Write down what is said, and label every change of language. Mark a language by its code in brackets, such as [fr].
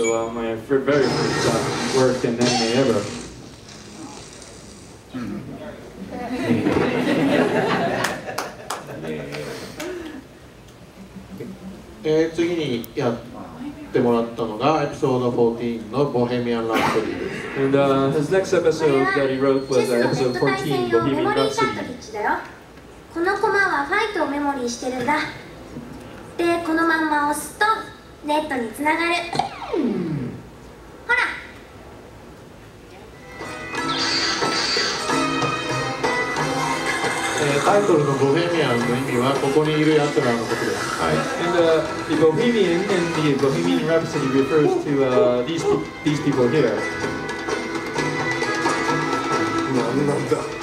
[en] 。 So, my very first work in anime ever. [ja] ねえ。次にやってもらったのがエピソード14のボヘミアン・ラプソディ。 [en] And his next episode that he wrote was episode 14, Bohemian Rhapsody. [ja] このコマはファイトをメモリーしてるんだ。で、このまんま押すとネットにつながる。ほら。タイトルのボヘミアンの意味はここにいるやつらのことです。はい。 [en] And the Bohemian in the Bohemian Rhapsody refers to these people here. [ja] なんなんだ。